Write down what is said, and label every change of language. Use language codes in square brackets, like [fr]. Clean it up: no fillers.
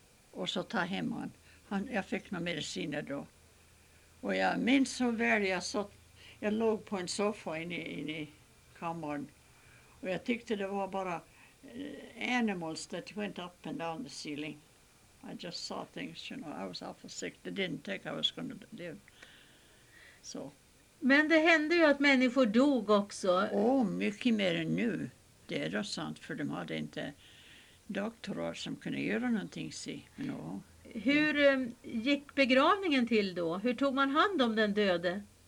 [sv] Och så ta hem han. Jag fick några mediciner då. Och jag minns så väl jag låg på en soffa inne i kammaren och jag tyckte det var bara [en] animals that went up and down the ceiling. I just saw things, you know, I was awful sick. They didn't think I was going to live. So. [sv] Men det hände ju att människor dog också. Oh, mycket mer än nu. Det är då sant, för de hade inte doktorer som kunde göra någonting. [en] No. [sv] Hur gick begravningen till då? Hur tog man hand om den döde?